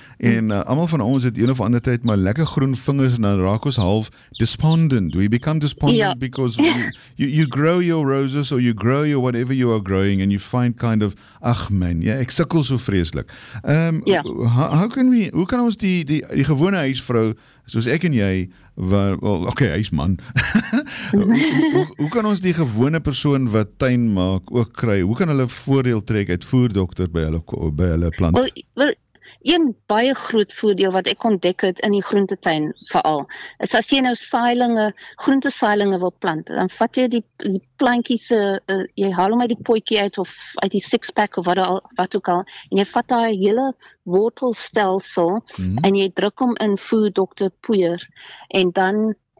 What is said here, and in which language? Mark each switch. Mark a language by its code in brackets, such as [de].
[af] En almal van ons het een of ander tyd maar lekker groen vingers en dan raak ons half despondent. [en] We become despondent because you grow your roses or you grow your whatever you are growing and you find kind of, [af] ach man, ja, ek sukkel so vreeslik. Hoe kan ons die gewone huisvrou, soos ek en jy, huisman. hoe kan ons die gewone persoon wat tuin maak ook kry? Hoe kan hulle voordeel trek uit Food Doctor by hulle plant? Wel, een baie groot voordeel wat ek ontdek het in die groentetuin veral, is as jy nou groentesailinge wil plant, dan vat jy die plantjies, jy haal hom uit die potjie uit of uit die six-pack of wat ook al, en jy vat daar hele wortelstelsel en jy druk hom in Food Doctor poeier en dan